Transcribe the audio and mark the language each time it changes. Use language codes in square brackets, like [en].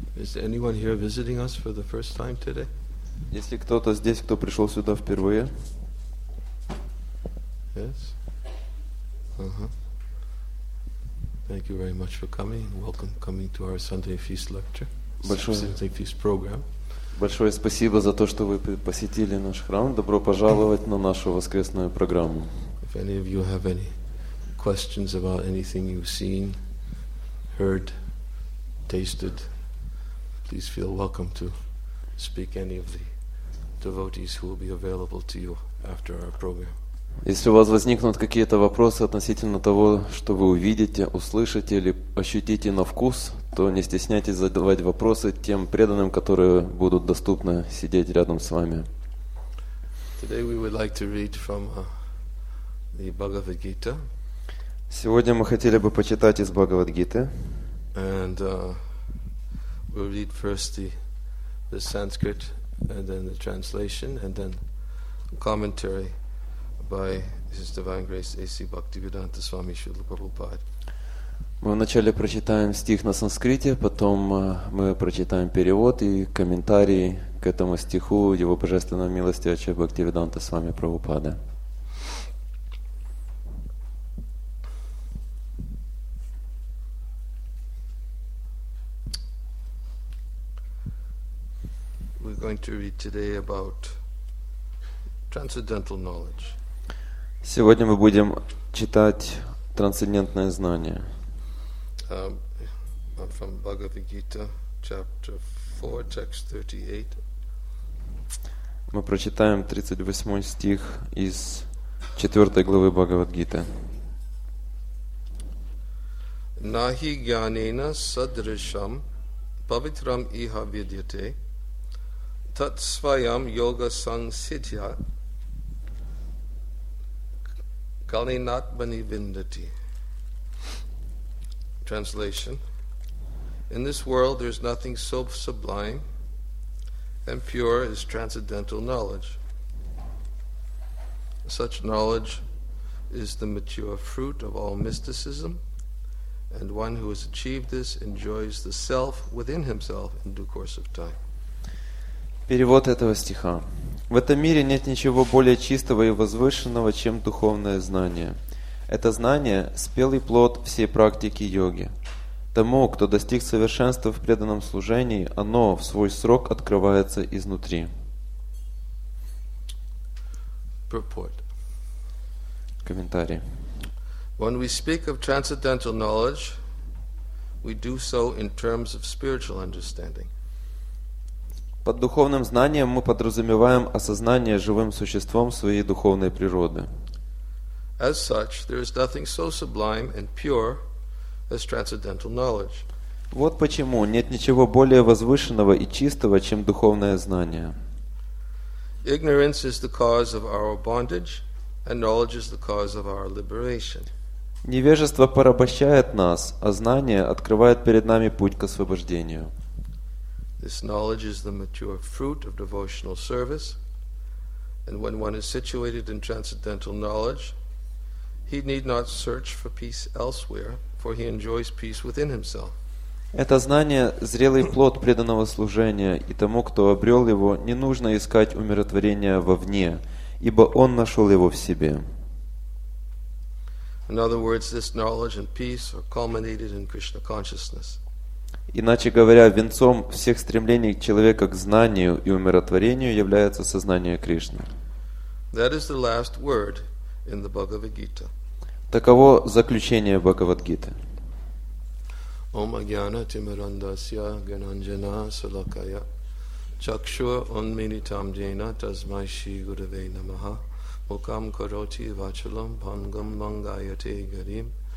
[en] Is anyone here visiting us for the first time today? [ru] Есть ли кто-то здесь, кто пришел сюда впервые? [en] Yes. Thank you very much for coming. Welcome coming to our Sunday Feast lecture. Sunday Feast program. [ru] Большое спасибо за то, что вы посетили наш храм. Добро пожаловать на нашу воскресную программу. [en] If any of you have any questions about anything you've seen, heard, tasted, please feel welcome to speak any of the devotees who will be available to you after our program. [ru] Если у вас возникнут какие-то вопросы относительно того, что вы увидите, услышите или ощутите на вкус, то не стесняйтесь задавать вопросы тем преданным, которые будут доступны сидеть рядом с вами. [en] Today we would like to read from the Bhagavad Gita. [ru] Сегодня мы хотели бы почитать из Бхагавад Гиты. [en] And we'll read first the Sanskrit and then the translation and then commentary by His Divine Grace A.C. Bhaktivedanta Swami Śrīla Prabhupāda. [ru] Мы вначале прочитаем стих на санскрите, потом мы прочитаем перевод и комментарий к этому стиху Его Божественной Милости Ача Бхактивиданта Свами Прабхупады. [en] We're going to read today about transcendental knowledge. [ru] Сегодня мы будем читать трансцендентное знание. [en] From Bhagavad Gita, chapter 4, text 38. [ru] Мы прочитаем 38 стих из 4 главы Бхагавад Гиты. [sa] Нахи гьянена садришам павитрам иха видьяте тат свайам йога сансидья калинатмани виндати. [en] Translation: in this world, there is nothing so sublime and pure as transcendental knowledge. Such knowledge is the mature fruit of all mysticism, and one who has achieved this enjoys the self within himself in due course of time. [ru] Перевод этого стиха. В этом мире нет ничего более чистого и возвышенного, чем духовное знание. Это знание – спелый плод всей практики йоги. Тому, кто достиг совершенства в преданном служении, оно в свой срок открывается изнутри. [en] Purport. [ru] Комментарий. [en] When we speak of transcendental knowledge, we do so in terms of spiritual understanding. [ru] Под духовным знанием мы подразумеваем осознание живым существом своей духовной природы. [en] As such, there is nothing so sublime and pure as transcendental knowledge. [ru] Вот почему нет ничего более возвышенного и чистого, чем духовное знание. [en] Ignorance is the cause of our bondage, and knowledge is the cause of our liberation. [ru] Невежество порабощает нас, а знание открывает перед нами путь к освобождению. [en] This knowledge is the mature fruit of devotional service, and when one is situated in transcendental knowledge, he need not search for peace elsewhere, for he enjoys peace within himself. [ru] Это знание – зрелый плод преданного служения, и тому, кто обрел его, не нужно искать умиротворения вовне, ибо он нашел его в себе. [en] In other words, this knowledge and peace are culminated in Krishna consciousness. [ru] Иначе говоря, венцом всех стремлений человека к знанию и умиротворению является сознание Кришны. [en] That is the last word in the Bhagavad Gita. [ru] Таково заключение Бхагавад Гиты. [sa] Ом агьяна тимирандасья гьянанджана салакая чакшур унмилитам джена тасмай шри гуруве намаха мукам кароти вачалам бхангам мангаяте гарим